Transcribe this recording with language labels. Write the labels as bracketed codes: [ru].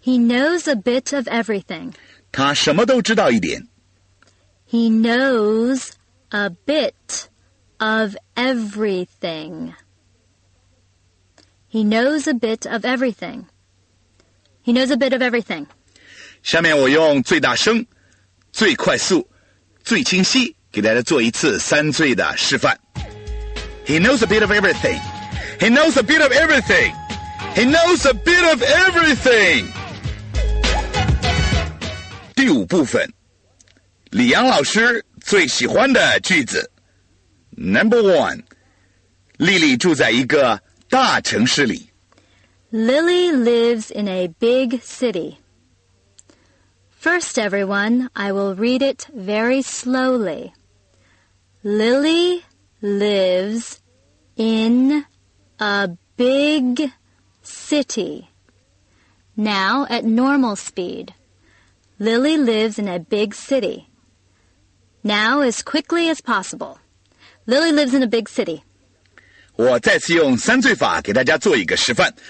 [en] He knows a bit of everything. [zh] 他什么都知道一点。 [en] He knows a bit of everything. He knows a bit of everything. He knows a bit of everything. [zh] 下面我用最大声、最快速、最清晰给大家做一次三最的示范。 [en] He knows a bit of everything. He knows a bit of everything. He knows a bit of everything. [zh] 第五部分，李阳老师最喜欢的句子。 [en] Number one, [zh] Lily 住在一个大城市里。 [en] Lily lives in a big city. First, everyone, I will read it very slowly. Lily lives in... A big city. Now, at normal speed. Lily lives in a big city. Now, as quickly as possible. Lily lives in a big city. [zh] 我再次用三最法给大家做一个示范。